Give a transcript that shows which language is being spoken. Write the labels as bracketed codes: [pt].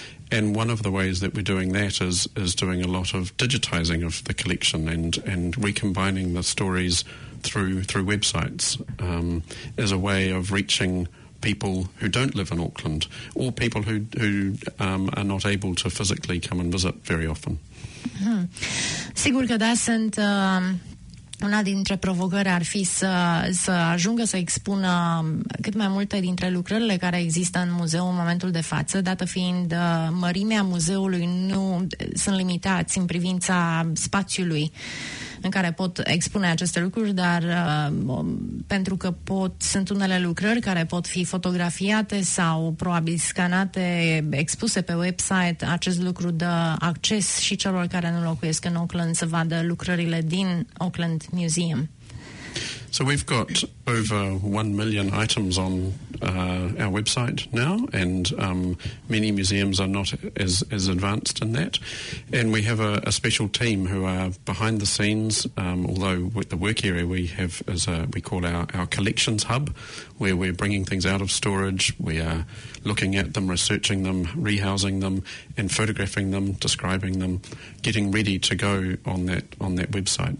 [en] And one of the ways that we're doing that is doing a lot of digitising of the collection and recombining the stories through websites as a way of reaching people who don't live in Auckland or people who are not able to physically come and visit very often. [ro] Mm-hmm. Sigur că da, sunt... Una dintre provocări ar fi să ajungă să expună cât mai multe dintre lucrările care există în muzeu în momentul de față, dată fiind mărimea muzeului, nu sunt limitați în privința spațiului în care pot expune aceste lucruri, dar pentru că sunt unele lucrări care pot fi fotografiate sau probabil scanate, expuse pe website, acest lucru dă acces și celor care nu locuiesc în Auckland să vadă lucrările din Auckland Museum. [en] So we've got over 1 million items on our website now, and many museums are not as advanced in that. And we have a special team who are behind the scenes, although with the work area we have is we call our collections hub, where we're bringing things out of storage, we are looking at them, researching them, rehousing them, and photographing them, describing them, getting ready to go on that website.